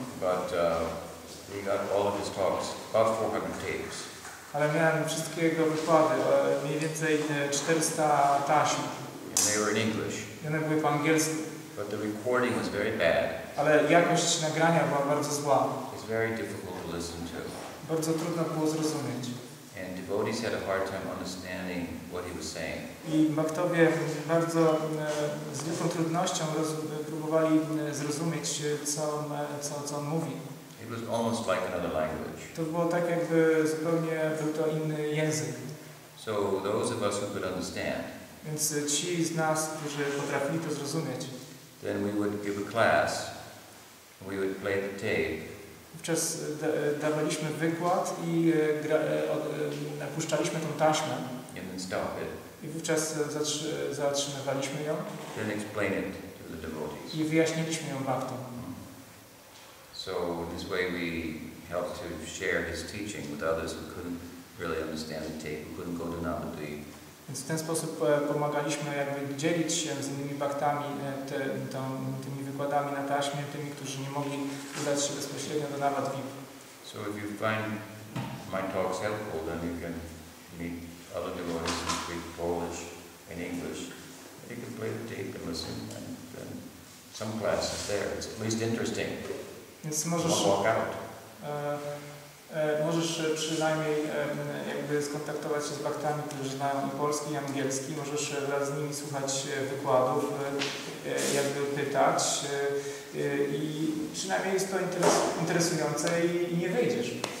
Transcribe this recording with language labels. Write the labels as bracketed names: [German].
[English] But he got all of his talks, about 400 tapes. [Polish] Ale miałem wszystkie jego wykłady, mniej więcej 400 taśm. [English] And they were in English. [Polish] One były po angielsku. [English] But the recording was very bad. [Polish] Ale jakość nagrania była bardzo zła. [English] It's very difficult to listen to. [Polish] Bardzo trudno było zrozumieć. [English] And devotees had a hard time understanding what he was saying. [Polish] I bhaktowie bardzo z wielką trudnością próbowali zrozumieć co on mówi. [English] It was almost like another language. [Polish] To było tak jakby zupełnie był to inny język. [English] So those of us who could understand. [Polish] Więc ci z nas, którzy potrafili to zrozumieć. [English] Then we would give a class. We would play the tape. [Polish] Wówczas dawaliśmy wykład i napuszczaliśmy tą taśmę. [English] And then stop it. [Polish] I wówczas zatrzymywaliśmy ją. [English] Then explain it to the devotees. [Polish] I wyjaśniliśmy ją bhaktom. [English] So in this way we helped to share his teaching with others who couldn't really understand the tape, who couldn't go to Navadvipa. [Polish] Więc w ten sposób pomagaliśmy jakby dzielić się z innymi bhaktami tymi wykładami na taśmie, tymi, którzy nie mogli udać się bezpośrednio do Navadvipa. [English] So if you find my talks helpful, then you can meet other devotees and speak Polish and English. You can play the tape and listen, and some classes there. It's at least interesting. [Polish] Więc możesz [English] walk out. [Polish] Możesz przynajmniej jakby skontaktować się z bhaktami, którzy znają i polski, i angielski. Możesz wraz z nimi słuchać wykładów, jakby pytać. I przynajmniej jest to interesujące i nie wyjdziesz.